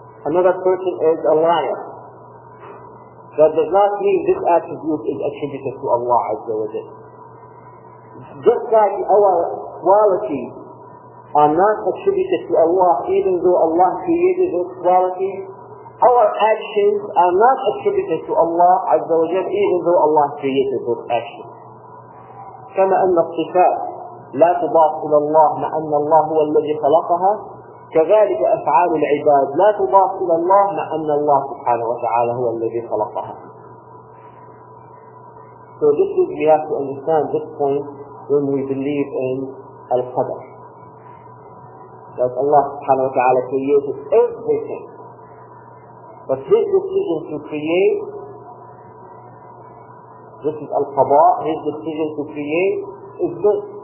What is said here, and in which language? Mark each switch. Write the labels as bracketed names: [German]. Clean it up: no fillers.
[English] Another person is a liar. That does not mean this attribute is attributed to Allah Azza wa Jalla. Just like our qualities are not attributed to Allah, even though Allah created those qualities, our actions are not attributed to Allah Azza wa Jalla, even though Allah created those actions. [Arabic] كما أن الصفات لا تضاف إلى الله مع أن الله هو الذي خلقها كذلك أفعال العباد لا تضاف إلى الله مع أن الله سبحانه وتعالى هو الذي خلقها. [English] So this is, we have to understand this point when we believe in al-qadr. That Allah سبحانه وتعالى created everything. But His decision to create, this is al-qadr, His decision to create is good.